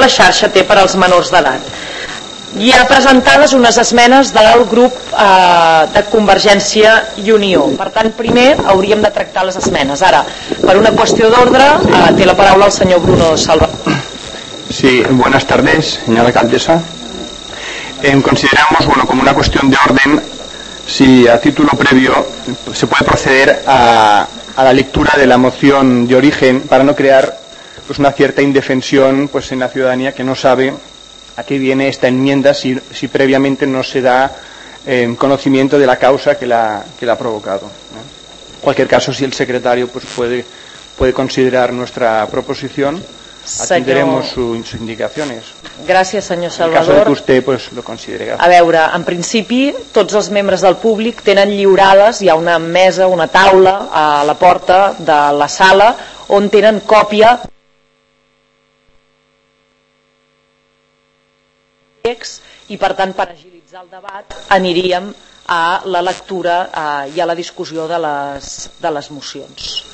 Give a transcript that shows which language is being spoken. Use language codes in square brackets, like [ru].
[ca] xarxa té per als menors d'edat. I ha presentades unes esmenes del grup de Convergència i Unió. Per tant, primer hauríem de tractar les esmenes. Ara, per una qüestió d'ordre, té la paraula el senyor Bruno Salva. [es] Sí, buenas tardes, señora alcaldesa. Consideramos, bueno, como una cuestión de orden, si a título previo se puede proceder a la lectura de la moción de origen para no crear pues una cierta indefensión pues en la ciudadanía que no sabe a qué viene esta enmienda si previamente no se da conocimiento de la causa que la ha provocado, ¿no? En cualquier caso, si el secretario pues puede considerar nuestra proposición, atendremos sus indicaciones. [ca] Gràcies, senyor Salvador. En el cas que vostè pues, lo consideri. A veure, en principi, tots els membres del públic tenen lliurades, hi ha una mesa, una taula a la porta de la sala on tenen còpia i, per tant, per agilitzar el debat, aniríem a la lectura i a la discussió de les mocions.